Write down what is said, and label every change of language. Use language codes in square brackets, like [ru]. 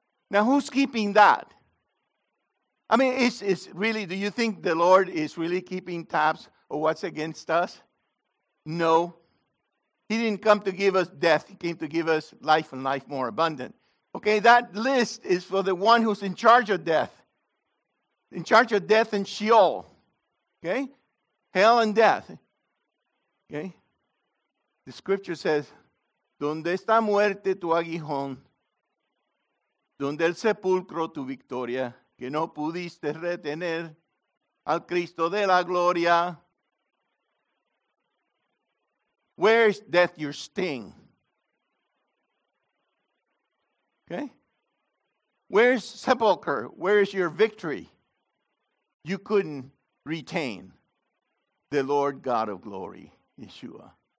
[en] Now, who's keeping that? I mean, it's really, do you think the Lord is really keeping tabs of what's against us? No. He didn't come to give us death. He came to give us life and life more abundant. Okay, that list is for the one who's in charge of death. In charge of death and Sheol. Okay? Hell and death. Okay? The scripture says, [es] donde está muerte tu aguijón, donde el sepulcro tu victoria, que no pudiste retener al Cristo de la gloria. [en] Where is death your sting? Okay? Where's sepulcher? Where is your victory? You couldn't retain the Lord God of glory, Yeshua.